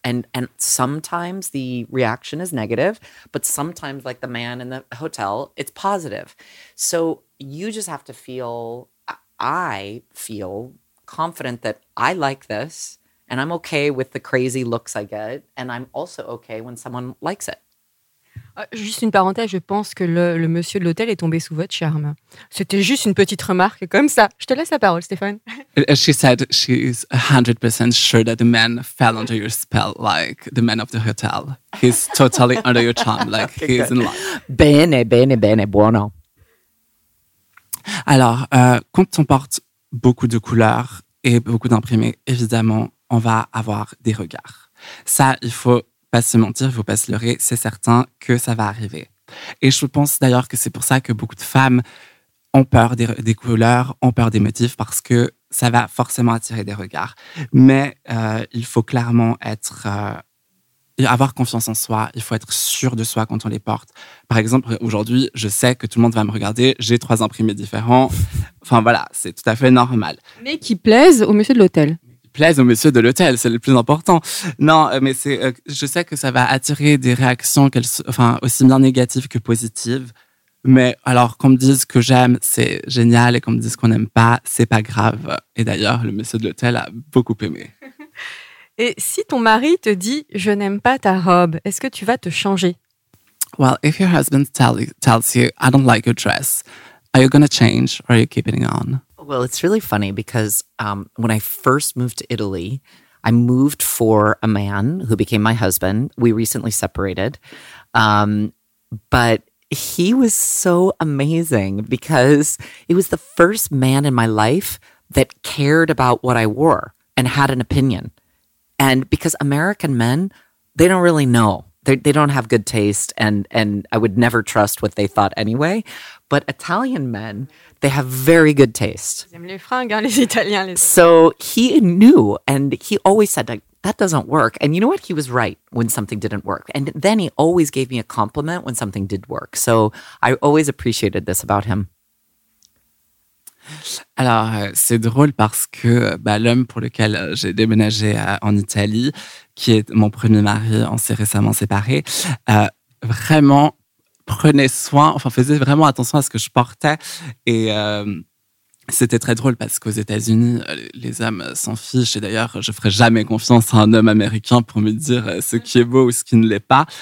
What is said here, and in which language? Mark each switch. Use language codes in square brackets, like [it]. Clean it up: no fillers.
[en] And sometimes the reaction is negative, but sometimes, like the man in the hotel, it's positive. So you just have to feel, I feel confident that I like this, and I'm okay with the crazy looks I get, and I'm also okay when someone likes it. [fr] Juste une parenthèse, je pense que le monsieur de l'hôtel est tombé sous votre charme. C'était juste une petite remarque comme ça. Je te laisse la parole, Stéphane. [en] She said she is 100% sure that the man fell under your spell, like the man of the hotel. He's totally under your charm, like okay, he's good. In love. [it] Bene, bene, bene, buono. [fr] Alors, quand on porte beaucoup de couleurs et beaucoup d'imprimés, évidemment, on va avoir des regards. Ça, il faut... pas se mentir, faut pas se leurrer, c'est certain que ça va arriver. Et je pense d'ailleurs que c'est pour ça que beaucoup de femmes ont peur des couleurs, ont peur des motifs, parce que ça va forcément attirer des regards. Mais il faut clairement avoir confiance en soi, il faut être sûr de soi quand on les porte. Par exemple, aujourd'hui, je sais que tout le monde va me regarder, j'ai trois imprimés différents. Enfin voilà, c'est tout à fait normal. Mais qui plaisent au monsieur de l'hôtel. Plaise au monsieur de l'hôtel, c'est le plus important. Non, mais c'est, je sais que ça va attirer des réactions, enfin, aussi bien négatives que positives. Mais alors, qu'on me dise que j'aime, c'est génial, et qu'on me dise qu'on n'aime pas, c'est pas grave. Et d'ailleurs, le monsieur de l'hôtel a beaucoup aimé. Et si ton mari te dit « je n'aime pas ta robe », est-ce que tu vas te changer? [en] Well, if your husband tells you « I don't like your dress », are you gonna change or are you keeping on? Well, it's really funny because when I first moved to Italy, I moved for a man who became my husband. We recently separated. But he was so amazing because he was the first man in my life that cared about what I wore and had an opinion. And because American men, they don't really know. They don't have good taste, and I would never trust what they thought anyway. But Italian men, they have very good taste. [fr] Ils aiment les fringues, hein, les Italiens. [en] So he knew, and he always said, like, that doesn't work. And you know what? He was right when something didn't work. And then he always gave me a compliment when something did work. So I always appreciated this about him. [fr] Alors, c'est drôle parce que bah, l'homme pour lequel j'ai déménagé en Italie, qui est mon premier mari, on s'est récemment séparés, vraiment prenait soin, enfin faisait vraiment attention à ce que je portais. Et c'était très drôle parce qu'aux États-Unis, les hommes s'en fichent. Et d'ailleurs, je ne ferai jamais confiance à un homme américain pour me dire ce qui est beau ou ce qui ne l'est pas.